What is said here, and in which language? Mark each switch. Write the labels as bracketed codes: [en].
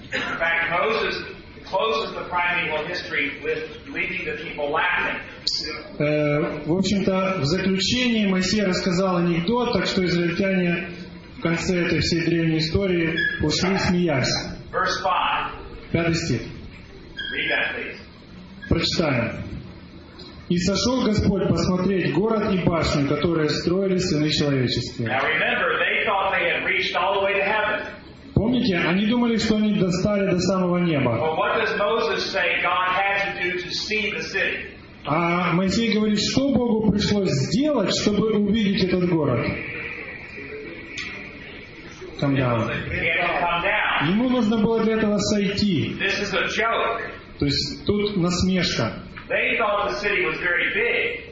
[en] In fact, Moses closes the primeval history with leaving the people laughing. [ru] В общем-то, в заключении Моисей рассказал анекдот, так что израильтяне в конце этой всей древней истории ушли смеясь. [en] Verse 5. [ru] Пятый стих. [en] Read that, please. [ru] Прочитаем. «И сошел Господь посмотреть город и башню, которые строили сыны человечества». [en] Now remember, they thought they had reached all the way to heaven. [ru] Помните, они думали, что они достали до самого неба. [en] But what does Moses say God had to do to see the city? [ru] А Моисей говорит, что Богу пришлось сделать, чтобы увидеть этот город? [en] Come down. Come down. [ru] Ему нужно было для этого сойти. [en] This is a joke. [ru] То есть тут насмешка. [en] They thought the city was very big.